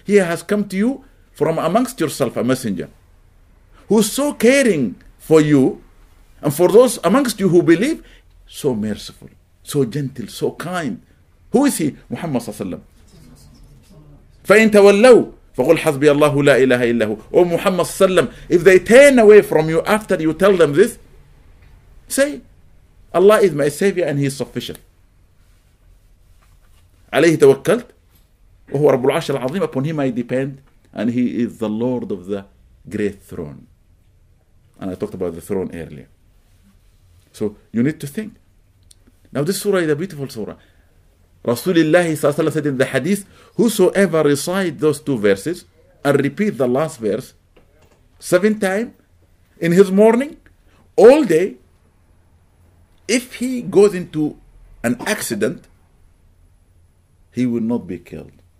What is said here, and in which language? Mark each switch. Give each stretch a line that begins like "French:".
English: He has come to you from amongst yourself, a messenger, who's so caring for you and for those amongst you who believe, so merciful, so gentle, so kind. Who is he? Muhammad sallallahu alayhi wa sallam.
Arabic: فَقُلْ حَزْبِيَ اللَّهُ لَا إِلَهَ إِلَّهُ.
English: Oh Muhammad sallam, if they turn away from you after you tell them this, say, Allah is my savior and he is sufficient.
Arabic: عليه توكلت وهو رب العرش العظيم.
English: Upon him I depend and he is the lord of the great throne. And I talked about the throne earlier. So you need to think. Now this surah is a beautiful surah. Rasulullah said in the hadith, whosoever recite those two verses and repeat the last verse 7 times in his morning, all day, if he goes into an accident, he will not be killed.